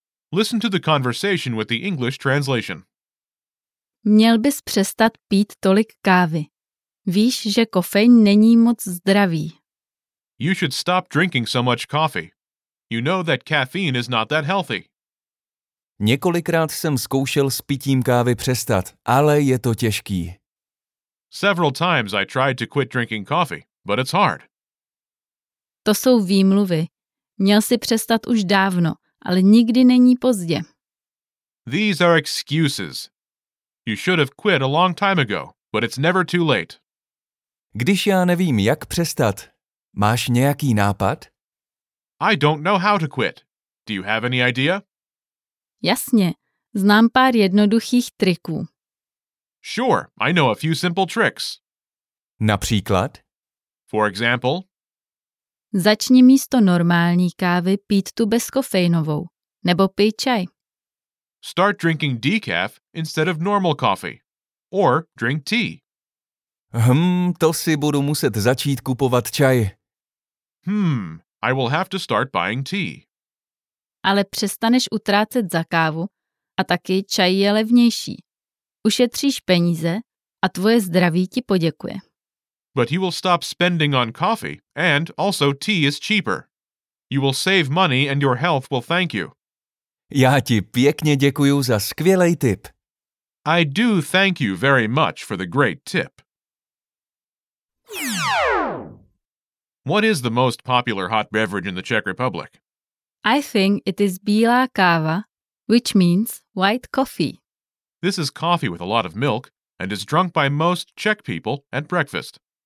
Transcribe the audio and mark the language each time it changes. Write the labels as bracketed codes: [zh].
[en] Listen to the conversation with the English translation. [cs] Měl bys přestat pít tolik kávy. Víš, že kofein není moc zdravý. [en] You should stop drinking so much coffee. You know that caffeine is not that healthy. [cs] Několikrát jsem zkoušel s pitím kávy přestat, ale je to těžký. [en] Several times I tried to quit drinking coffee, but it's hard. [cs] To jsou výmluvy. Měl jsi přestat už dávno. Ale nikdy není pozdě. [en] These are excuses. You should have quit a long time ago, but it's never too late. [cs] Když já nevím, jak přestat, máš nějaký nápad? [en] I don't know how to quit. Do you have any idea? [cs] Jasně, znám pár jednoduchých triků. [en] Sure, I know a few simple tricks. [cs] Například? [en] For example, [cs] začni místo normální kávy pít tu bezkofeinovou, nebo pij čaj. [en] Start drinking decaf instead of normal coffee. Or drink tea. [cs] To si budu muset začít kupovat čaj. [en] I will have to start buying tea. [cs] Ale přestaneš utrácet za kávu a taky čaj je levnější. Ušetříš peníze a tvoje zdraví ti poděkuje. [en] But you will stop spending on coffee, and also tea is cheaper. You will save money and your health will thank you. [cs] Já ti pěkně děkuju za skvělej tip. [en] I do thank you very much for the great tip. What is the most popular hot beverage in the Czech Republic? I think it is bílá káva, which means white coffee. This is coffee with a lot of milk and is drunk by most Czech people at breakfast.